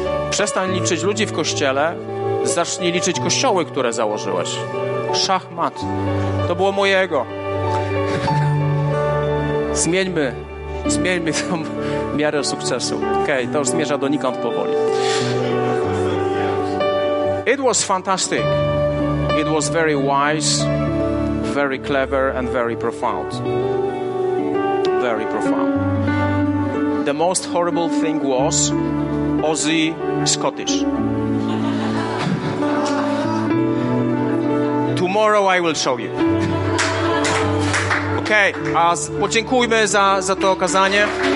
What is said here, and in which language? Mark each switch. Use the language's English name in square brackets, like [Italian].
[Polish] Przestań liczyć ludzi w kościele. Zacznij liczyć kościoły, które założyłeś. Szachmat. To było moje ego. Zmieńmy tą miarę sukcesu. Okej, to już zmierza donikąd powoli. [English] It was fantastic. It was very wise. very clever and very profound. Very profound. The most horrible thing was Ozzy Scottish. Tomorrow I will show you. [Polish] Okay, a podziękujmy za to okazanie.